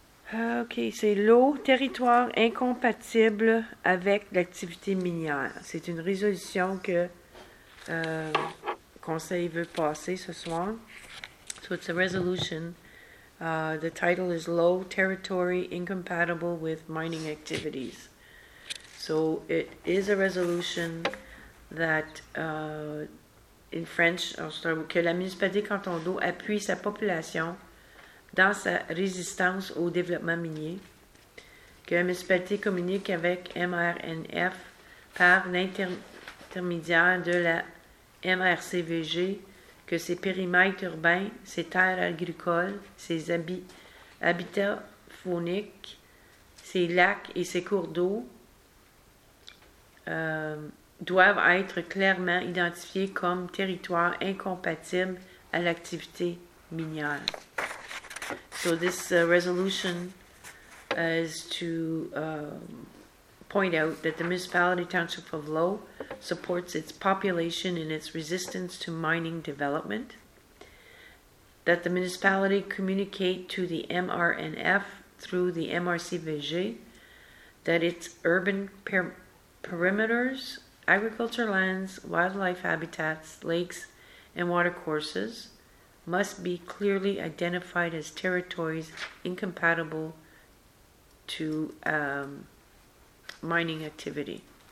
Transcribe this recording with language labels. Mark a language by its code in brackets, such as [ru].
[fr] OK, c'est l'eau, territoire incompatible avec l'activité minière. C'est une résolution que le conseil veut passer ce soir. [en] So it's a resolution. The title is Low Territory Incompatible with Mining Activities. So it is a resolution that in French, [fr] que la municipalité Canton d'Eau appuie sa population dans sa résistance au développement minier, que la municipalité communique avec MRNF par l'intermédiaire de la MRCVG, que ses périmètres urbains, ses terres agricoles, ses habitats fauniques, ses lacs et ses cours d'eau doivent être clairement identifiés comme territoires incompatibles à l'activité minière. [en] So this resolution is to point out that the municipality township of Low supports its population in its resistance to mining development, that the municipality communicate to the MRNF through the MRCVG, that its urban perimeters, agriculture lands, wildlife habitats, lakes, and watercourses must be clearly identified as territories incompatible to mining activity.